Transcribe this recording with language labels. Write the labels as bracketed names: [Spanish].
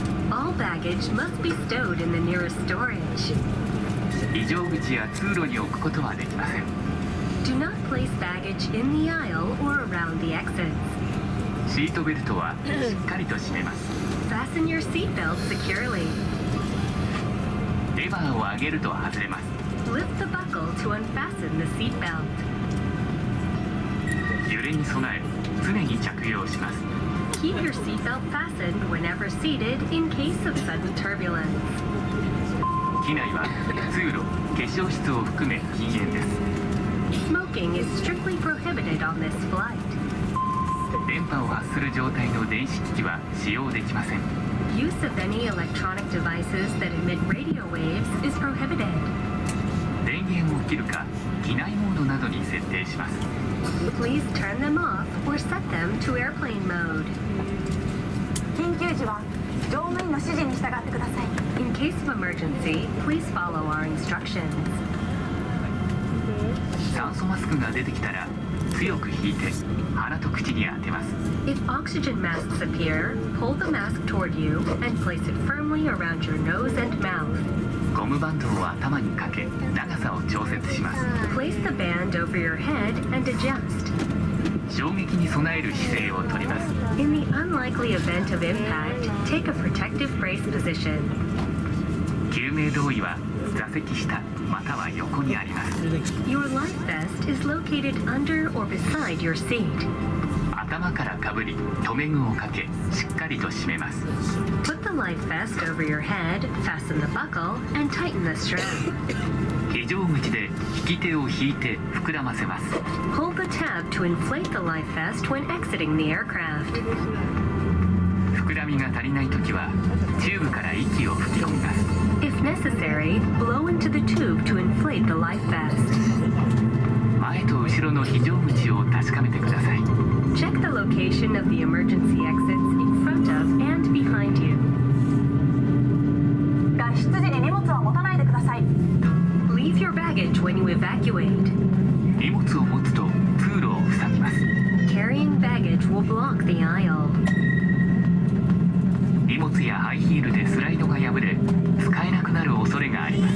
[English] All baggage must be stowed in the nearest storage. [Japanese] 異常口や通路に置くことはできません。 [English] Do not place baggage in the aisle or around the exits. [Japanese] シートベルトはしっかりと締めます。 [English] Fasten your seat belt securely. [Japanese] レバーを上げると外れます。 [English] Lift the buckle to unfasten the seat belt. [Japanese] 揺れに備え、常に着用します。 [English] Keep your seatbelt fastened whenever seated in case of sudden turbulence. [Japanese] 機内は通路、化粧室を含め禁煙です。 [English] Smoking is strictly prohibited on this flight. [Japanese] 電波を発する状態の電子機器は使用できません。 [English] Use of any electronic devices that emit radio waves is prohibited. [Japanese] 電源を切るか、機内モードなどに設定します。 [English] Please turn them off or set them to airplane mode. [Japanese] 緊急時は乗務員の指示に従ってください。 [English] In case of emergency, please follow our instructions. [Japanese] 酸素マスクが出てきたら強く引いて鼻と口に当てます。 [English] If oxygen masks appear, pull the mask toward you and place it firmly around your nose and mouth. [Japanese] ゴムバンドを頭にかけ長さを調節します。 [English] Place the band over your head and adjust. [Japanese] 衝撃に備える姿勢をとります。 [English] In the unlikely event of impact, take a protective brace position. [Japanese] 救命胴衣は座席下または横にあります。 [English] Your life vest is located under or beside your seat. [Japanese] 頭からかぶり、留め具をかけ、しっかりと締めます。 [English] Put the life vest over your head, fasten the buckle, and tighten the strap. [Japanese] 非常口で引き手を引いて膨らませます。 [English] Hold the tab to inflate the life vest when exiting the aircraft. [Japanese] 膨らみが足りないときは、チューブから息を吹き込みます。 [English] If necessary, blow into the tube to inflate the life vest. [Japanese] 前と後ろの非常口を確かめてください。 [English] Check the location of the emergency exits in front of and behind you. [Japanese] 脱出時に荷物は持たないでください。 [English] Leave your baggage when you evacuate. [Japanese] 荷物を持つと通路を塞ぎます。 [English] Carrying baggage will block the aisle. [Japanese] 荷物やハイヒールでスライドが破れ、使えなくなる恐れがあります。